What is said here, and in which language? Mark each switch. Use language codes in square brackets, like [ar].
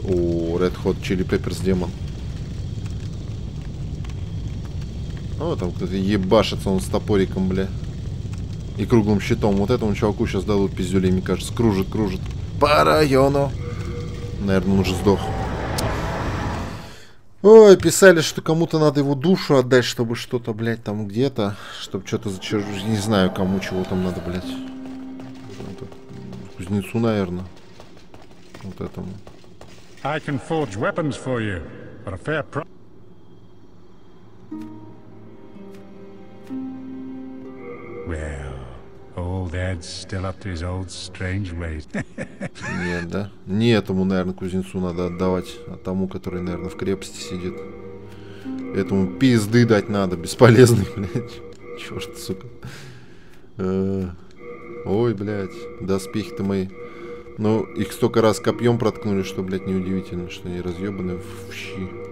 [ru] О, Red Hot Chili Peppers демон. О, там кто-то ебашится он с топориком, блядь. И круглым щитом. Вот этому чуваку сейчас дадут пиздюлей, мне кажется. Кружит, кружит. По району. Наверное, он уже сдох. Ой, писали, что кому-то надо его душу отдать, чтобы что-то, блядь, там где-то. Чтобы что-то зачерпнуть. Не знаю, кому чего там надо, блядь. Кузнецу, наверное. Вот этому. [en] I can forge weapons for you, but a fair price. Well, all that's still up to his old strange ways. [ru] Нет, да? Не этому, наверное, кузнецу надо отдавать, а тому, который, наверное, в крепости сидит. этому пизды дать надо, бесполезный, блядь. Черт, сука. Ой, блядь, доспехи-то мои. Ну, их столько раз копьем проткнули, что, блядь, неудивительно, что они разъебаны в щи.